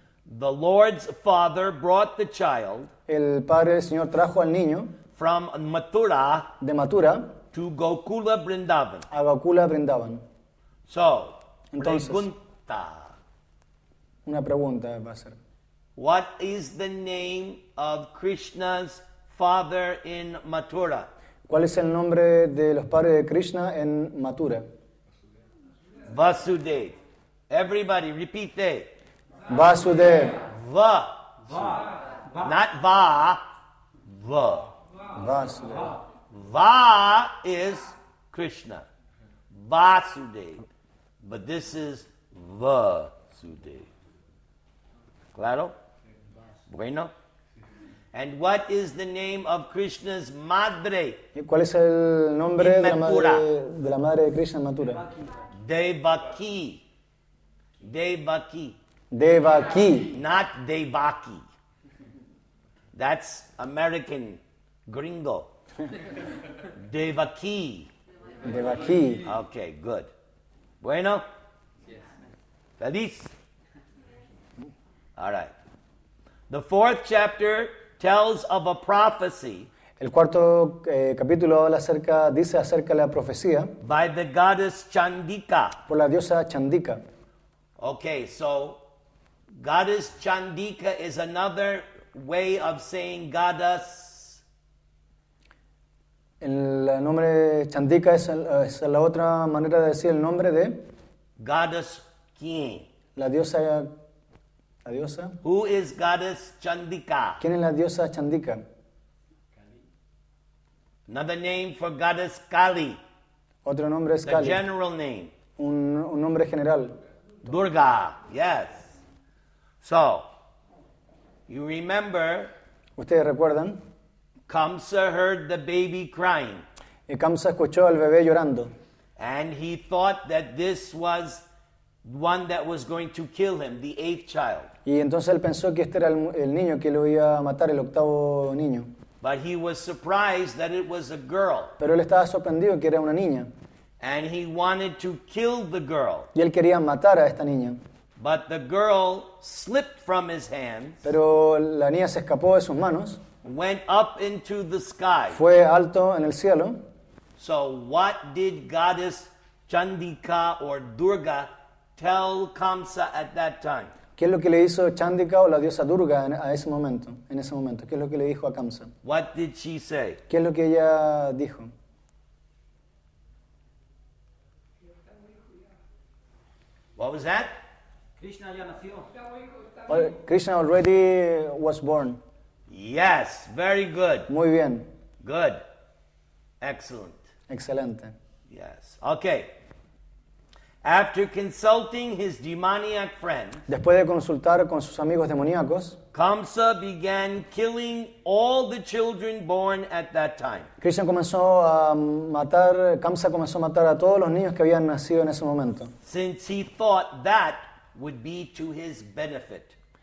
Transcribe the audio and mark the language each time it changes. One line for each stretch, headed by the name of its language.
English: The Lord's father brought the child.
Spanish: El padre del Señor trajo al niño.
English: from Mathura
Spanish: de Mathura
English: to Gokula Vrindavan.
Spanish: A Gokula Vrindavan.
English: So,
Spanish: entonces, pregunta. Una pregunta va a ser.
English: What is the name of Krishna's father in Mathura?
Spanish: ¿Cuál es el nombre de los padres de Krishna en Mathura?
English: Vasudev. Everybody, repeat it. Vasudev. Va. Va. Not va. Va. Vasudev. Va is Krishna. Vasudev. But this is Vasudev.
Spanish: Claro? Bueno?
English: And what is the name of Krishna's madre?
Spanish: ¿Cuál es el nombre de la madre de Krishna en Mathura?
English: Devaki. Devaki. Devaki. Not Devaki. That's American gringo. Devaki. Devaki. Okay, good.
Spanish: Bueno?
English: Yes.
Spanish: Feliz?
English: All right. The fourth chapter tells of a prophecy.
Spanish: El cuarto capítulo habla acerca, dice acerca de la profecía.
English: By the goddess Chandika.
Spanish: Por la diosa Chandika.
English: Okay, so goddess Chandika is another way of saying goddess.
Spanish: El nombre Chandika es la otra manera de decir el nombre de
English: goddess quién.
Spanish: La diosa. La diosa.
English: Who is goddess Chandika?
Spanish: ¿Quién es la diosa Chandika?
English: Another name for goddess Kali.
Spanish: Otro nombre es
English: the Kali. The general name.
Spanish: Un nombre general.
English: Durga. Yes. So, you remember?
Spanish: ¿Ustedes recuerdan?
English: Kamsa heard the baby crying.
Spanish: Y Kamsa escuchó al bebé llorando.
English: And he thought that this was one that was going to kill him, the eighth child.
Spanish: Y entonces él pensó que este era el niño que lo iba a matar, el octavo niño.
English: But he was surprised that it was a girl.
Spanish: Pero él estaba sorprendido que era una niña.
English: And he wanted to kill the girl.
Spanish: Y él quería matar a esta niña.
English: But the girl slipped from his hands.
Spanish: Pero la niña se escapó de sus manos.
English: Went up into the sky.
Spanish: Fue alto en el cielo.
English: So what did goddess Chandika or Durga tell Kamsa at that time?
Spanish: ¿Qué es lo que le hizo Chandika o la diosa Durga a ese momento? En ese momento, ¿qué es lo que le dijo a Kamsa?
English: What did she say?
Spanish: ¿Qué es lo que ella dijo?
English: What was that?
Spanish: Krishna ya nació.
English: Well, Krishna already was born. Yes, very good.
Spanish: Muy bien.
English: Good. Excellent.
Spanish: Excelente.
English: Yes. Okay. After consulting his demoniac friends,
Spanish: después de consultar con sus amigos demoníacos,
English: Kamsa began killing all the children born at that time.
Spanish: Kamsa comenzó a matar a todos los niños que habían nacido en ese momento.
English: Since he thought that would be to his benefit.